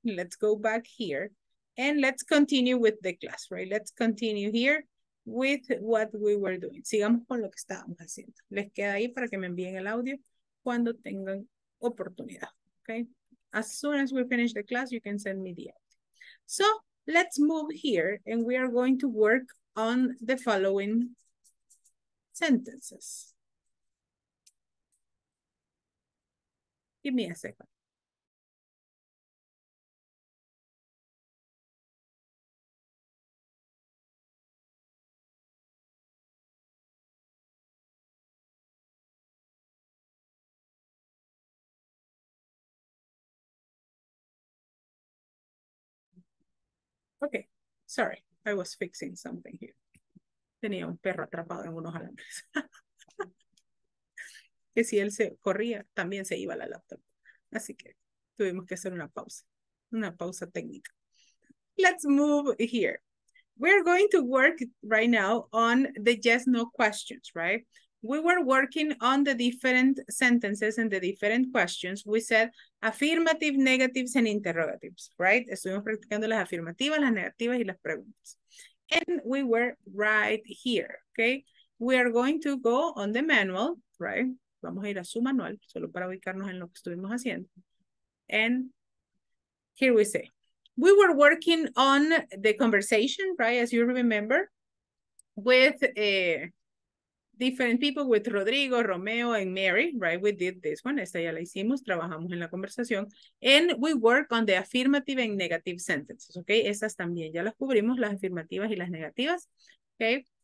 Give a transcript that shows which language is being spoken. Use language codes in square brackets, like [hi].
[en] Let's go back here and let's continue with the class, right? Let's continue here with what we were doing. [es] Sigamos con lo que estábamos haciendo. Les queda ahí para que me envíen el audio cuando tengan oportunidad, okay? [en] As soon as we finish the class, you can send me the audio. So let's move here and we are going to work on the following sentences. Give me a second. Okay, sorry, I was fixing something here. [es] Tenía un perro atrapado en unos alambres. Que si él se corría, también se iba a la laptop. Así que tuvimos que hacer una pausa técnica. [en] Let's move here. We're going to work right now on the yes, no questions, right? We were working on the different sentences and the different questions. We said affirmative, negatives, and interrogatives, right? [es] Estuvimos practicando las afirmativas, las negativas, y las preguntas. [en] And we were right here, okay? We are going to go on the manual, right? [es] Vamos a ir a su manual, solo para ubicarnos en lo que estuvimos haciendo. [en] And here we say, we were working on the conversation, right? As you remember, with different people, with Rodrigo, Romeo, and Mary, right? We did this one. [es] Esta ya la hicimos, trabajamos en la conversación. [en] And we work on the affirmative and negative sentences, okay? [es] Estas también ya las cubrimos, las afirmativas y las negativas, okay?